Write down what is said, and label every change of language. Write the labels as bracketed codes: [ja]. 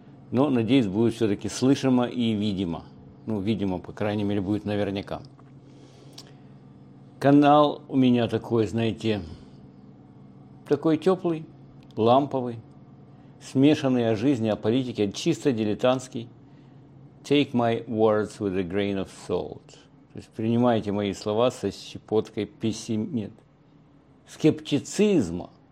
[ru] Но, надеюсь, будет все-таки слышимо и видимо. Ну, видимо, по крайней мере, будет наверняка. Канал у меня такой, знаете, такой теплый. Ламповый, смешанный о жизни, о политике, чисто дилетантский. [en] Take my words with a grain of salt. [ru] То есть принимайте мои слова со щепоткой скептицизма.